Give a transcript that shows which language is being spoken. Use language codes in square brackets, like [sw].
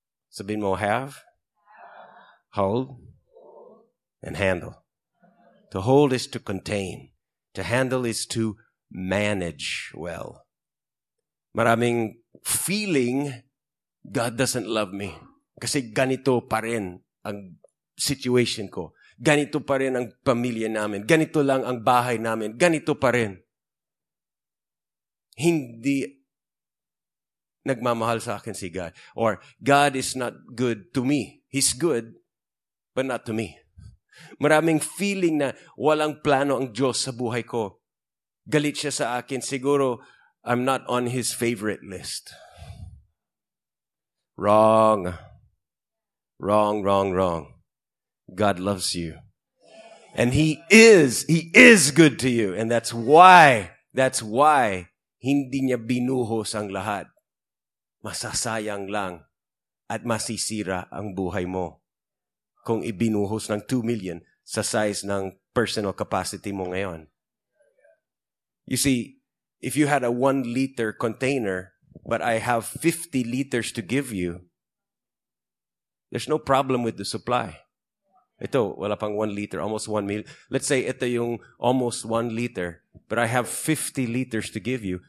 [tl] Sabihin mo, [en] have, hold, and handle. To hold is to contain. To handle is to manage well. [tl] Maraming [en] feeling, God doesn't love me. [tl] Kasi ganito pa rin ang situation ko. Ganito pa rin ang pamilya namin. Ganito lang ang bahay namin. Ganito pa rin. Hindi nagmamahal sa akin si God. [en] Or, God is not good to me. He's good, but not to me. [tl] Maraming feeling na walang plano ang Diyos sa buhay ko. Galit siya sa akin. Siguro, [en] I'm not on His favorite list. Wrong. Wrong, wrong, wrong. God loves you. And He is good to you. And that's why [tl] hindi niya binuhos ang lahat. Masasayang lang at masisira ang buhay mo kung ibinuhos ng 2 million sa size ng personal capacity mo ngayon. [en] You see, if you had a 1-liter container, but I have 50 liters to give you, there's no problem with the supply. [tl] Ito, wala pang [en] 1 liter, almost 1 mil. Let's say [tl] ito yung [en] almost 1 liter, but I have 50 liters to give you.